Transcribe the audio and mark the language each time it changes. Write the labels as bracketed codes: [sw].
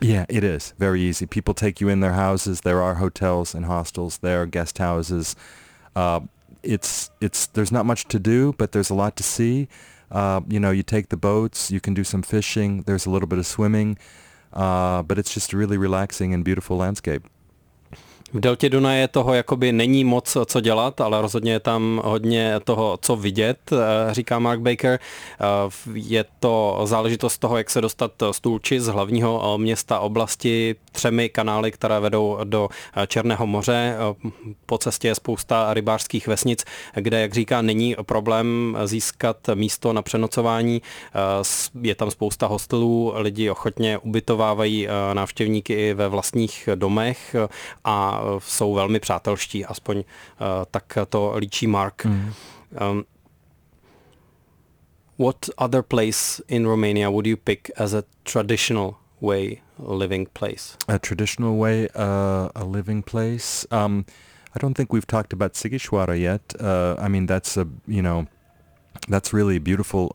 [en] Yeah, it is. Very easy. People take you in their houses. There are hotels and hostels. There are guest houses. There's not much to do, but there's a lot to see. You know, you take the boats, you can do some fishing, there's a little bit of swimming, but it's just a really relaxing and beautiful landscape. [cs] V deltě Dunaje toho jakoby není moc co dělat, ale rozhodně je tam hodně toho co vidět, říká Mark Baker. Je to záležitost toho, jak se dostat z Tulči, z hlavního města oblasti, 3 kanály, které vedou do Černého moře. Po cestě je spousta rybářských vesnic, kde, jak říká, není problém získat místo na přenocování. Je tam spousta hostelů, lidi ochotně ubytovávají návštěvníky i ve vlastních domech a jsou velmi přátelští, aspoň tak to líčí Mark. Mm. [en] What other place in Romania would you pick as a traditional way living place? A traditional way a living place? I don't think we've talked about Sighișoara yet. I mean, that's a, you know, that's really beautiful.